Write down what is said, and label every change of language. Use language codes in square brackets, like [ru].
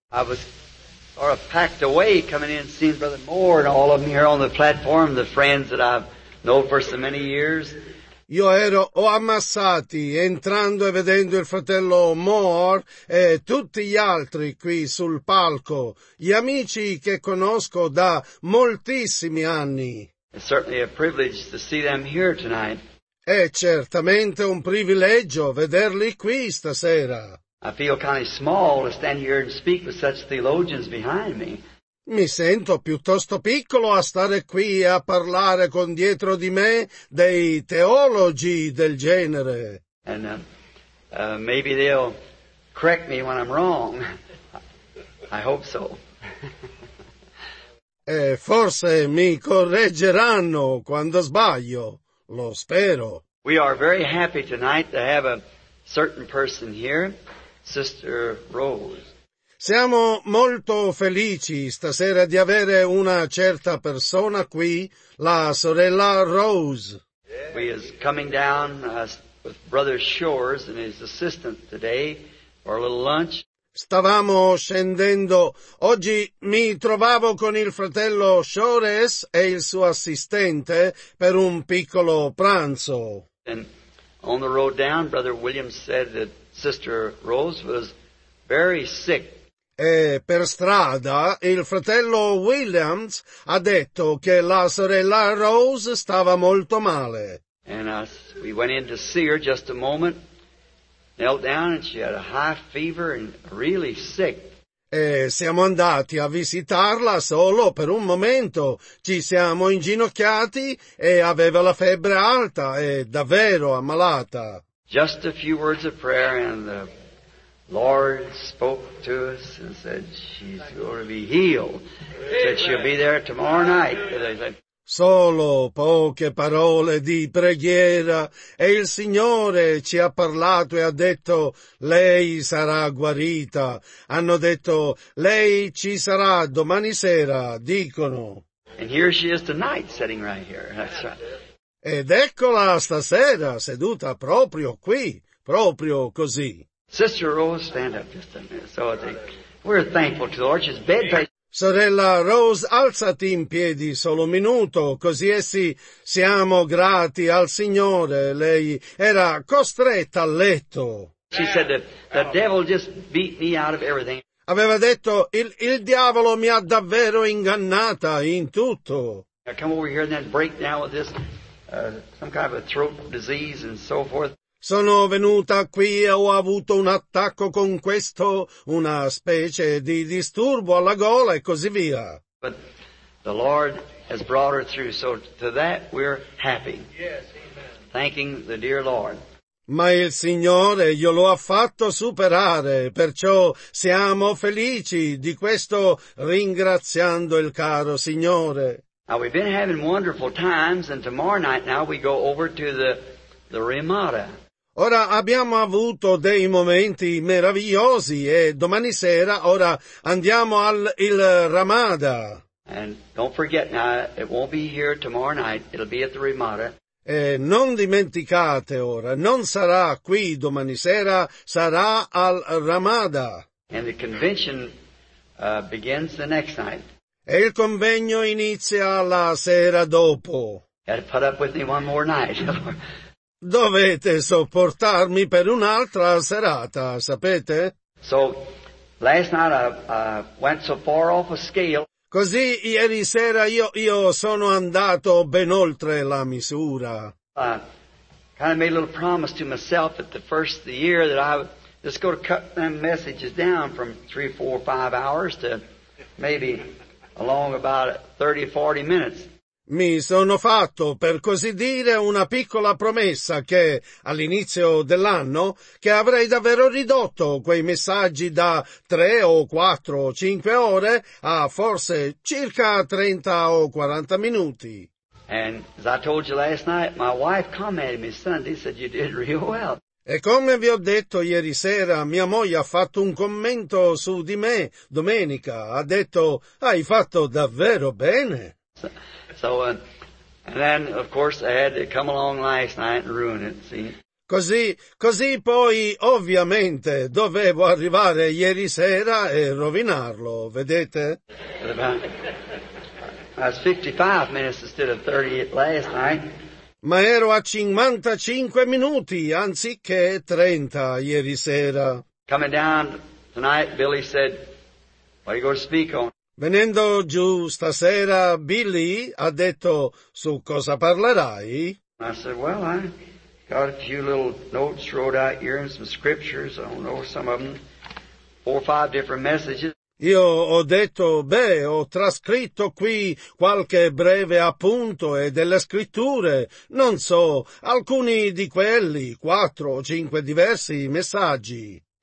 [en] I was sort of packed away coming in, seeing Brother Moore and all of them here on the platform, the friends that I've known for so many years. [it] Io ero ammassati entrando e vedendo il fratello Moore e tutti gli altri qui sul palco, gli amici che conosco da moltissimi anni. [en] It's certainly a privilege to see them here tonight. [it] È certamente un privilegio vederli qui stasera. [en] I feel kind of small to stand here and speak with such theologians behind me. [it] Mi sento piuttosto piccolo a stare qui a parlare con dietro di me dei teologi del genere. [en] And maybe they'll correct me when I'm wrong. I hope so. [it] E forse mi correggeranno quando sbaglio. Lo spero. [en] We are very happy tonight to have a certain person here, Sister Rose. [it] Siamo molto felici stasera di avere una certa persona qui, la sorella Rose. [en] He is coming down with Brother Shores and his assistant today for a little lunch. [it] Stavamo scendendo. Oggi mi trovavo con il fratello Shores e il suo assistente per un piccolo pranzo. [en] And on the road down, Brother Williams said that Sister Rose was very sick. [it] E per strada il fratello Williams ha detto che la sorella Rose stava molto male. [en] And we went in to see her just a moment. Knelt down and she had a high fever and really sick. [it] E siamo andati a visitarla solo per un momento. Ci siamo inginocchiati e aveva la febbre alta e davvero ammalata. [en] Just a few words of prayer and the Lord spoke to us and said she's going to be healed. Said she'll be there tomorrow night. [it] Solo poche parole di preghiera e il Signore ci ha parlato e ha detto lei sarà guarita. Hanno detto lei ci sarà domani sera, dicono. [en] And here she is tonight, sitting right here. That's right. [it] Ed eccola stasera seduta proprio qui, proprio così. [en] Sister Rose, stand up just a minute. So we're thankful to the Lord. She's bed by. [it] Sorella Rose, alzati in piedi solo un minuto, così essi siamo grati al Signore. Lei era costretta a letto. [en] She said the devil just beat me out of everything. [it] Aveva detto, il diavolo mi ha davvero ingannata in tutto. [en] I come over here and then break down with this, some kind of a throat disease and so forth. [it] Sono venuta qui e ho avuto un attacco con questo, una specie di disturbo alla gola e così via. [en] But the Lord has brought her through, so to that we're happy. Yes, amen. Thanking the dear Lord. [it] Ma il Signore glielo ha fatto superare, perciò siamo felici di questo, ringraziando il caro Signore. [en] Now we've been having wonderful times and tomorrow night now we go over to the Ramada. [it] Ora abbiamo avuto dei momenti meravigliosi e domani sera ora andiamo al il Ramada. [en] And don't forget now, it won't be here tomorrow night, it'll be at the Ramada. [it] E non dimenticate ora, non sarà qui domani sera, sarà al Ramada. [en] And the convention begins the next night. [it] E il convegno inizia la sera dopo. [en] You gotta put up with me one more night. [it] Dovete sopportarmi per un'altra serata, sapete? [en] So, last night I went so far off a scale. [it] Così ieri sera io sono andato ben oltre la misura. [en] I kind of made a little promise to myself at the first of the year that I would just go to cut them messages down from 3, 4, 5 hours to maybe along about 30-40 minutes. [it] Mi sono fatto, per così dire, una piccola promessa che, all'inizio dell'anno, che avrei davvero ridotto quei messaggi da 3 o 4 o 5 ore a forse circa 30 o 40 minuti. [en] And as I told you last night, my wife commented me Sunday, said you did real well. [it] E come vi ho detto ieri sera, mia moglie ha fatto un commento su di me domenica. Ha detto, hai fatto davvero bene. [en] So, and then of course I had to come along last night and ruin it, see? [it] Così poi ovviamente dovevo arrivare ieri sera e rovinarlo, vedete? [en] I was 55 minutes instead of 38 last night. [it] Ma ero a 55 minuti anziché 30 ieri sera. [en] Coming down tonight, Billy said, what are you going to speak on? [it] Venendo giù stasera, Billy ha detto, su cosa parlerai? [en] I said, well, I got a few little notes, wrote out here and some scriptures, I don't know, some of them, 4 or 5 different messages. [it] Io ho detto, beh, ho trascritto qui qualche breve appunto e delle scritture, non so, alcuni di quelli, 4 o 5 diversi messaggi.